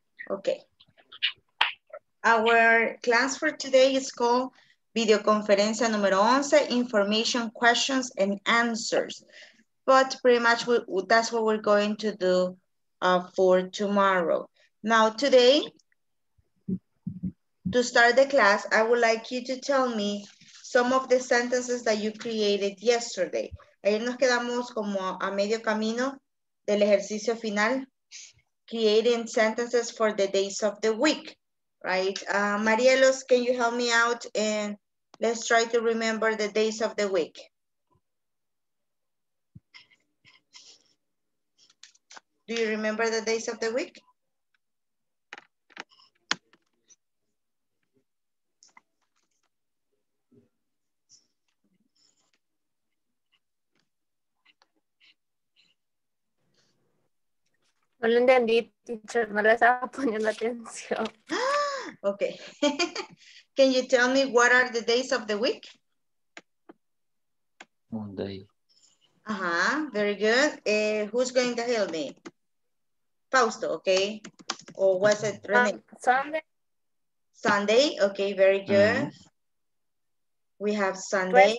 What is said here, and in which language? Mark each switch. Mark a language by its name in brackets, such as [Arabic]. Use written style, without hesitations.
[English] Okay, our class for today is called Videoconferencia Número 11, Information Questions and Answers. But pretty much that's what we're going to do for tomorrow. Now today, to start the class, I would like you to tell me some of the sentences that you created yesterday. [Spanish] Ayer nos quedamos como a medio camino del ejercicio final. [English] Creating sentences for the days of the week, right? Marielos, can you help me out? And let's try to remember the days of the week. Do you remember the days of the week? [Spanish] No lo entendí, teacher, no le estaba poniendo atención. [English] Okay. Can you tell me what are the days of the week? Monday. Uh-huh, very good. Who's going to help me? Fausto, okay. Or was it Sunday? Sunday, okay, very good. Mm-hmm. We have Sunday.